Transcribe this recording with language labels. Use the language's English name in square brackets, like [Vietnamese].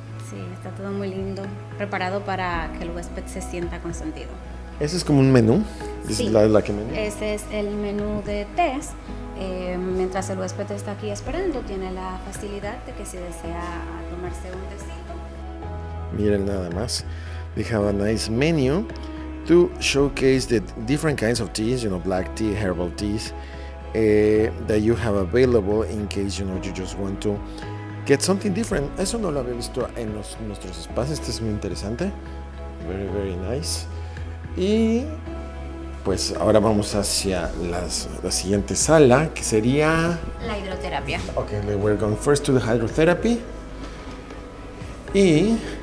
[Spanish] Sí, está todo muy lindo, preparado para que el huésped se sienta consentido. ¿Ese es como un menú? Sí, [English] like menu. [Spanish] Ese es el menú de test. Mientras el huésped está aquí esperando, tiene la facilidad de que si desea tomarse un tecito. Miren nada más. [English] We have a nice menu to showcase the different kinds of teas, you know, black tea, herbal teas, that you have available in case, you know, you just want to get something different. [Spanish] Eso no lo había visto en los, nuestros espacios. Este es muy interesante. [English] Very, very nice. [Spanish] Y pues ahora vamos hacia las, la siguiente sala, que sería... la hidroterapia. [English] Okay, we're going first to the hydrotherapy. Y...